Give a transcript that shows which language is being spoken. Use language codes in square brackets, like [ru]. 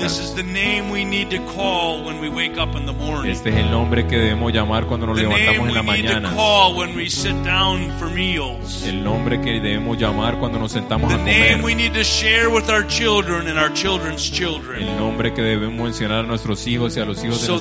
[en] This is the name we need to call when we wake up in the morning. [es] Este es el nombre que debemos llamar cuando nos levantamos en la mañana. [en] The name we need to call when we sit down for meals. [es] El nombre que debemos llamar cuando nos sentamos a comer. [en] The name we need to share with our children and our children's children. [es] El nombre que debemos mencionar a nuestros hijos y a los hijos de nuestros hijos.